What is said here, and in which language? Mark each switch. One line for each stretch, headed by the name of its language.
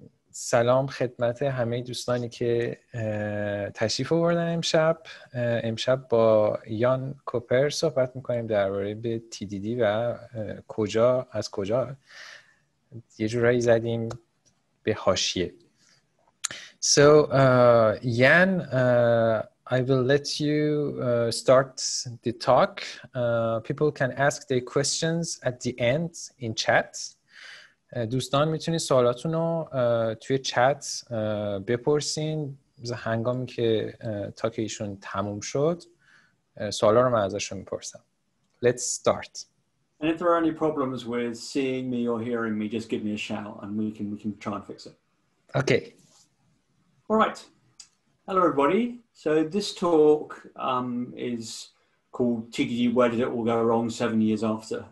Persian: سلام خدمت همه دوستانی که تشریف آوردن امشب. امشب با IanCooper صحبت میکنیم درباره به TDD و کجا از کجا یه جورایی زدیم به حاشیه.
English: So Ian, I will let you start the talk. People can ask their questions at the end in chat.
Persian: دوستان میتونید سوالاتون رو توی چت بپرسین. هنگامی که تاک ایشون تموم شد سوالا رو من ازشون میپرسم.
English: Let's start. And if there are any problems with seeing me or hearing me, just give me a shout and we can try and fix it. Okay. All right. Hello, everybody. So this talk is called TDD, Where Did It All Go Wrong 7 Years After?